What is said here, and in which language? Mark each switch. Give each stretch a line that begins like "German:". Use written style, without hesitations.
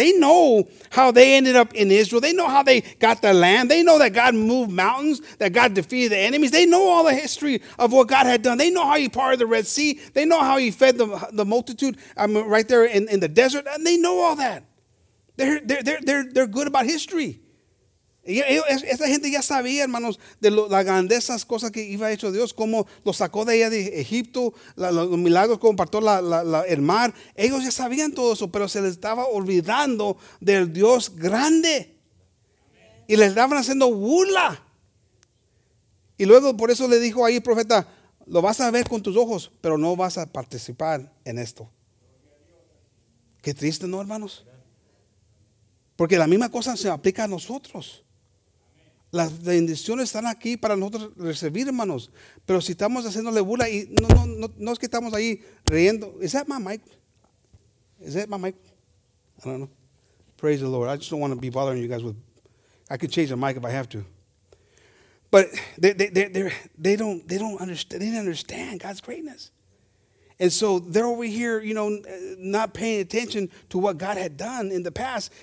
English: They know how they ended up in Israel. They know how they got the land. They know that God moved mountains, that God defeated the enemies. They know all the history of what God had done. They know how he parted the Red Sea. They know how he fed the multitude right there in the desert. And they know all that. They're good about history.
Spanish: Esa gente ya sabía, hermanos, de las grandezas cosas que iba a hecho Dios, cómo los sacó de allá de Egipto, los milagros, cómo partió el mar. Ellos ya sabían todo eso, pero se les estaba olvidando del Dios grande. Y les estaban haciendo burla. Y luego por eso le dijo ahí el profeta, lo vas a ver con tus ojos, pero no vas a participar en esto. Qué triste, ¿no, hermanos? Porque la misma cosa se aplica a nosotros. Las bendiciones están aquí para nosotros recibir, hermanos. Pero si estamos haciéndole burla y no es que estamos ahí riendo.
English: Is that my mic? Is that my mic? I don't know. Praise the Lord. I just don't want to be bothering you guys with. I could change the mic if I have to. But they don't understand. They didn't understand God's greatness. And so they're over here, you know, not paying attention to what God had done in the past.